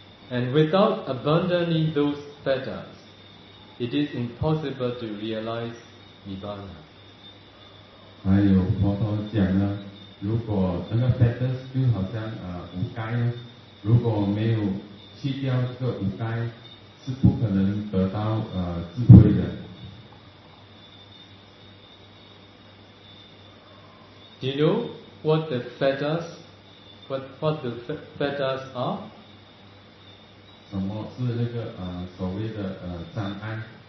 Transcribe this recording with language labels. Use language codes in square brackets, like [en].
[en] And without abandoning those fetters, it is impossible to realize nibbana. [zh] 还有佛陀讲呢，如果那个 fetters 就好像五盖，如果没有去掉这个五盖，是不可能得到智慧的。 [en] Do you know what the fetters, what the fetters are? [zh] 什么是那个所谓的障碍?